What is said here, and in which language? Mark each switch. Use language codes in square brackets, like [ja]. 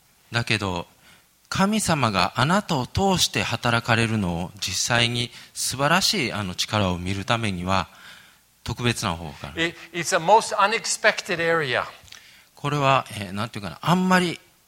[ja] だけど神様があなたを通して働かれるのを実際に素晴らしい力を見るためには特別な方法がある。 [en] It's a most unexpected area. [ja] これは、なんていうかな、あんまり、